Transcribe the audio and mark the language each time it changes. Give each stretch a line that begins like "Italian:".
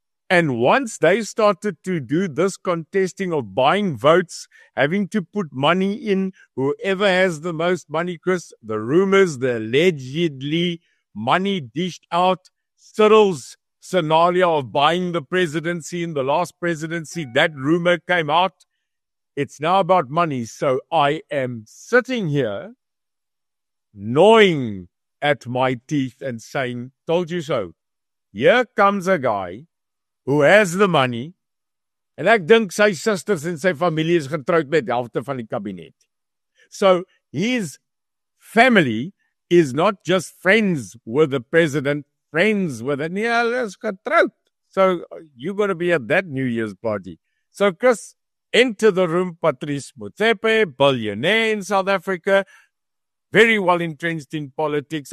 English: And once they started to do this contesting of buying votes, having to put money in, whoever has the most money, Chris, the rumors, the allegedly money dished out, Cyril's scenario of buying the presidency in the last presidency, that rumor came out. It's now about money. So I am sitting here gnawing at my teeth and saying, told you so. Here comes a guy who has the money.
Afrikaans: En ek dink sy sisters en sy familie is getroud met helfte van die kabinet.
English: So his family is not just friends with the president, friends with the Niels getroud. So you're going to be at that New Year's party. So Chris, enter the room, Patrice Motsepe, billionaire in South Africa, very well entrenched in politics.